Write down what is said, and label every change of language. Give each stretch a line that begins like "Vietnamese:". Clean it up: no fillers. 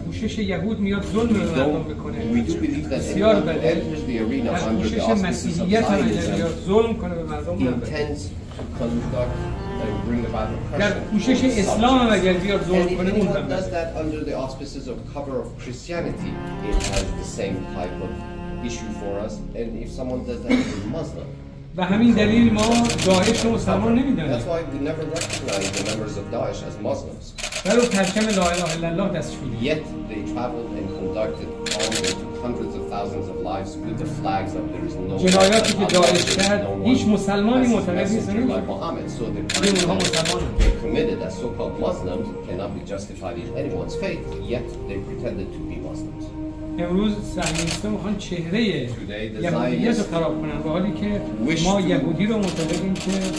English: We do believe that anyone who enters the arena under the auspices of Zionism intends to conduct and bring about oppression. Anyone who does that under the auspices of cover of Christianity, it has the same type of issue for us. And if someone does that as a Muslim,
Persian: و همین دلیل ما داعش رو مسلمان نمیدونیم.
English: That's why we never recognize the members of Daesh as Muslims.
Persian: ولو پرچم لا اله الا الله دستش بود.
English: Yet they traveled and conducted all the way to hundreds of thousands of lives with the flags of there is no God.
Persian: جنایاتی که داعش کرد هیچ مسلمانی معتقد نیست.
English: Like Muhammad, so the crimes they committed as so-called Muslims cannot be justified in anyone's faith. Yet they pretended to be Muslims.
Persian: امروز صهیونیست ها میخوان چهره یهودیت رو خراب کنن به حالی که ما یهودی رو معتقدیم که